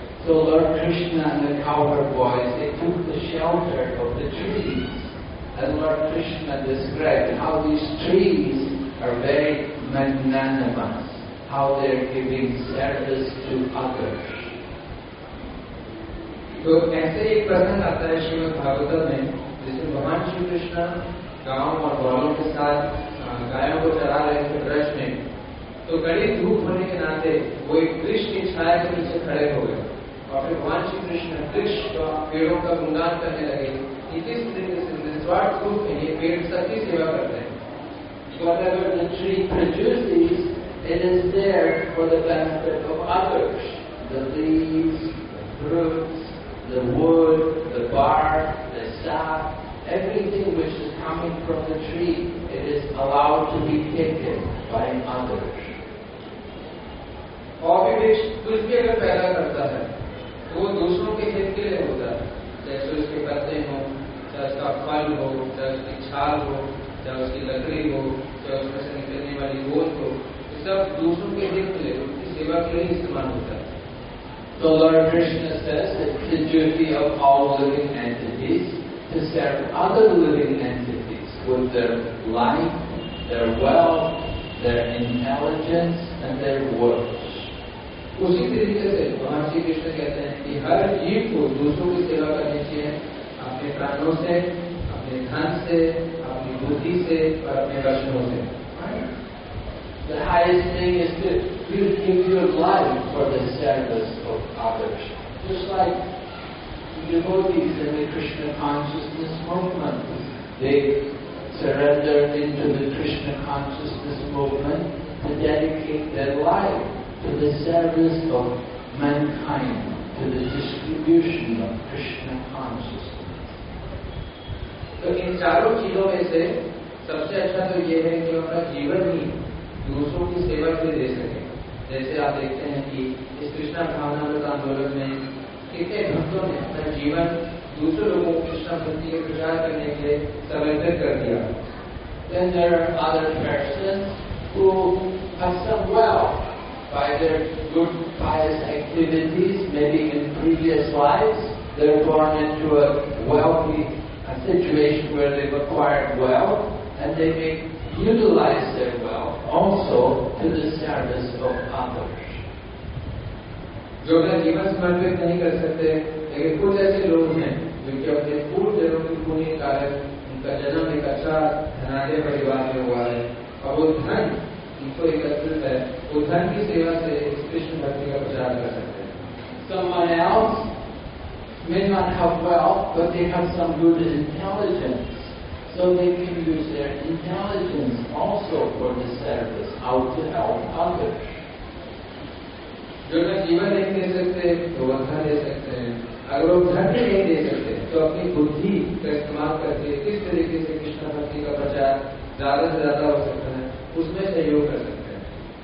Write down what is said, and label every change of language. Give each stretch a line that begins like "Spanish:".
English: So Lord Krishna and the cowherd boys, they took the shelter of the trees. And Lord Krishna described how these trees are very magnanimous, how they are giving service to others.
Hindi: तो ऐसे एक प्रसंग आता है श्रीमद् भागवतम में जिसमें भगवान श्री कृष्ण गांव और ग्वालों के साथ गायों को चरा रहे थे ब्रज में. तो कड़ी धूप होने के नाते वो एक वृक्ष की छाया के नीचे खड़े हो गए और फिर भगवान श्री कृष्ण वृक्ष पेड़ों का गुणगान करने लगे कि किस तरीके से निस्वार्थ रूप में ये पेड़ सबकी सेवा करते हैं.
English: Whatever the tree produces, it is there for the benefit of others. The leaves, the fruits, the wood, the bark, the sap, everything which is coming from the tree, it is allowed to be taken by others.
Hindi: और भी वृक्ष कुछ भी अगर पैदा करता है तो वो दूसरों के हित के लिए होता है, जैसे उसके पत्ते हो, चाहे उसका फल हो, चाहे उसकी छाल हो, चाहे उसकी लकड़ी हो, चाहे उसमें से निकलने वाली गोद हो, ये सब दूसरों के हित के लिए, उनकी सेवा के लिए इस्तेमाल होता है.
English: So Lord Krishna says it's the duty of all living entities to serve other living entities with their life, their wealth, their intelligence, and their works.
Hindi: उसी तरीके से भगवान श्री कृष्ण कहते हैं कि हर जीव को दूसरों की सेवा करनी चाहिए, अपने प्राणों से, अपने धन से, अपनी बुद्धि से और अपने वचनों से.
English: The highest thing is to give your life for the service of others. Just like devotees in the Krishna consciousness movement, they surrender into the Krishna consciousness movement to dedicate their life to the service of mankind, to the distribution of Krishna consciousness.
Hindi: तो इन चारों चीजों में से सबसे अच्छा तो ये है कि अपना जीवन ही दूसरों की सेवा के लिए दे सके. जैसे आप देखते हैं कि इस कृष्ण भावनामृत आंदोलन में कितने भक्तों ने अपना जीवन दूसरे लोगों को कृष्ण भक्ति के प्रचार करने के लिए समर्पित कर दिया.
English: Then there are other persons who have some wealth by their good pious activities, maybe in previous lives they were born into a wealthy situation where they've acquired wealth, and they may utilize their wealth also to the service of others.
Hindi: जो अपना जीवन समर्पित नहीं कर सकते, लेकिन कुछ ऐसे लोग हैं जिनके अपने पूर्व जन्म के पुण्य कारण उनका जन्म एक अच्छा धनाढ्य परिवार में हुआ है, और वो धन उनको एकत्रित है, वो धन की सेवा से कृष्ण भक्ति का प्रचार कर सकते हैं.
English: Someone else may not have wealth, but they have some good intelligence, so they can use their intelligence also for the service, how to help others.
Hindi: जो ना जीवन नहीं दे सकते तो वर्धा दे सकते हैं, अगर वो धन भी नहीं दे सकते तो अपनी बुद्धि का इस्तेमाल करके किस तरीके से कृष्ण भक्ति का प्रचार ज्यादा से ज्यादा हो सकता है उसमें सहयोग कर सकते हैं.